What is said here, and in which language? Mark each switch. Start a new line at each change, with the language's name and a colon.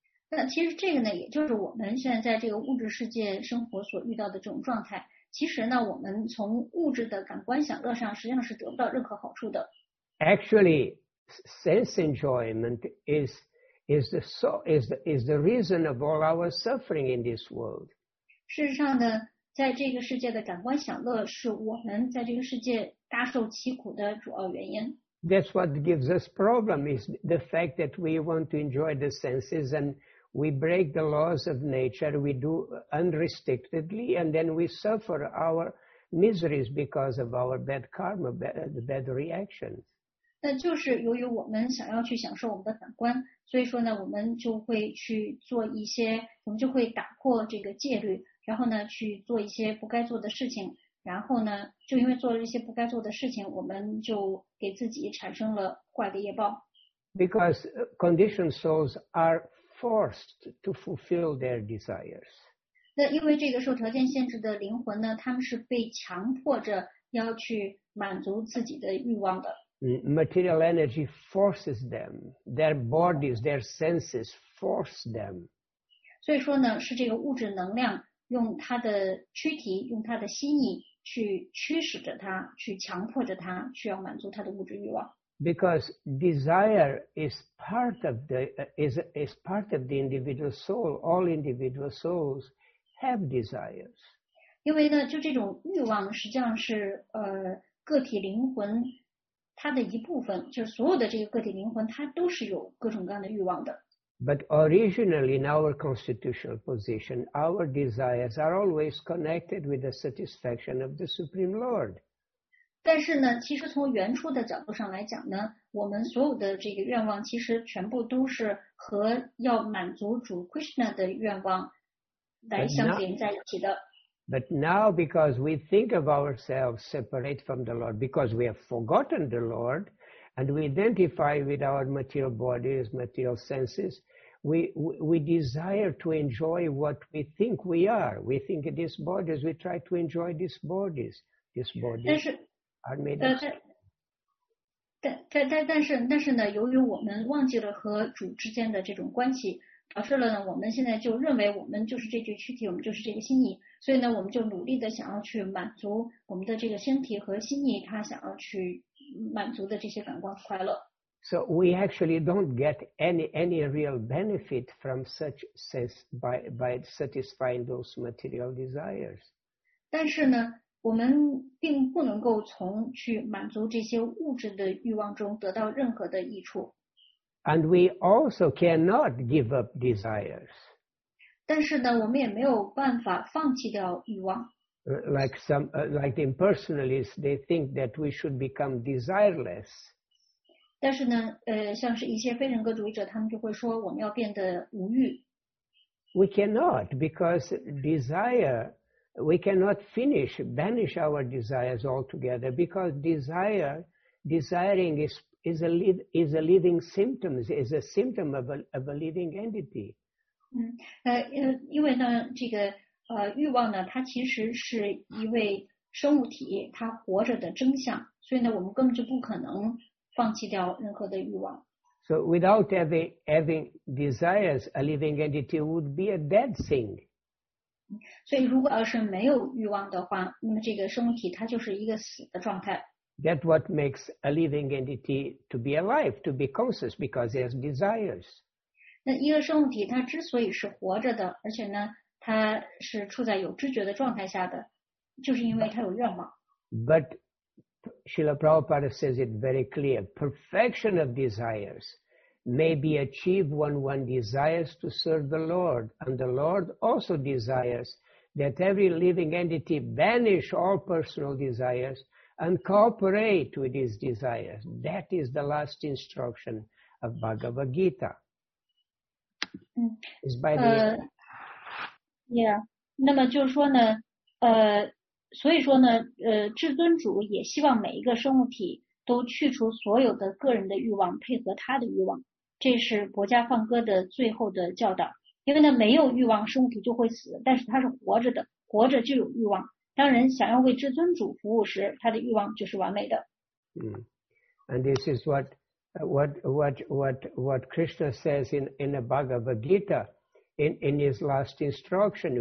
Chinese: 那其实这个呢，也就是我们现在在这个物质世界生活所遇到的这种状态。其实呢，我们从物质的感官享乐上，实际上是得不到任何好处的。
English: Actually, sense enjoyment is the reason of all our suffering in this world.
Chinese: 事实上呢，在这个世界的感官享乐是我们在这个世界大受其苦的主要原因。
English: That's what gives us problem is the fact that we want to enjoy the senses and we break the laws of nature, we do unrestrictedly, and then we suffer our miseries because of our bad karma, the bad reactions.
Chinese: 那就是由于我们想要去享受我们的感官，所以说呢，我们就会去做一些，我们就会打破这个戒律，然后呢，去做一些不该做的事情。然后呢，就因为做了一些不该做的事情，我们就给自己产生了坏的业报。
English: Because conditioned souls are forced to fulfill their desires.
Chinese: 那因为这个受条件限制的灵魂呢，他们是被强迫着要去满足自己的欲望的。
English: Material energy forces them. Their bodies, their senses force them.
Chinese: 所以说呢，是这个物质能量用他的躯体，用他的心意去驱使着他，去强迫着他，需要满足他的物质欲望。
English: Because desire is part of the individual soul. All individual souls have desires.
Chinese: 因为呢，就这种欲望实际上是个体灵魂它的一部分，就是所有的这个个体灵魂，它都是有各种各样的欲望的。
English: But originally in our constitutional position, our desires are always connected with the satisfaction of the Supreme Lord.
Chinese: 但是呢，其实从原初的角度上来讲呢，我们所有的这个愿望其实全部都是和要满足主 Krishna 的愿望来相连在一起的。
English: But now because we think of ourselves separate from the Lord, because we have forgotten the Lord,And we identify with our material bodies, material senses. We desire to enjoy what we think we are. We think of these bodies. We try to enjoy these bodies. These bodies are made of.
Chinese: 但是呢，由于我们忘记了和主之间的这种关系，导致了呢，我们现在就认为我们就是这具躯体，我们就是这个心意。所以呢，我们就努力的想要去满足我们的这个身体和心意，他想要去满足的这些感官快乐。
English: So we actually don't get any real benefit from such sense by satisfying those material desires.
Chinese: 但是呢，我们并不能够从去满足这些物质的欲望中得到任何的益处。
English: And we also cannot give up desires.
Chinese: 但是呢，我们也没有办法放弃掉欲望。
English: Like some, like the impersonalists, they think that we should become desireless.
Chinese: 但是呢，像是一些非人格主义者，他们就会说我们要变得无欲。
English: We cannot, because desire, we cannot finish, banish our desires altogether, because desiring is a living symptom, is a symptom of a living entity.
Chinese: 因为呢，这个欲望呢，它其实是一位生物体，它活着的真相。所以呢，我们根本就不可能放弃掉任何的欲望。
English: So without having desires, a living entity would be a dead thing.
Chinese: 所以如果要是没有欲望的话，那么这个身体它就是一个死的状态。
English: That's what makes a living entity to be alive, to be conscious, because it has desires.
Chinese: 那一个生物体它之所以是活着的，而且呢，它是处在有知觉的状态下的，就是因为它有愿望。
English: But Srila Prabhupada says it very clear, perfection of desires may be achieved when one desires to serve the Lord, and the Lord also desires that every living entity banish all personal desires and cooperate with his desires. That is the last instruction of Bhagavad Gita. It's by the
Chinese: Yeah. 那么就是说呢，所以说呢，至尊主也希望每一个生物体都去除所有的个人的欲望，配合他的欲望。这是薄伽梵歌的最后的教导。因为呢，没有欲望，生物体就会死，但是它是活着的，活着就有欲望。当人想要为至尊主服务时，他的欲望就是完美的。
English: And this is what Krishna says in the Bhagavad Gita, in his last instruction.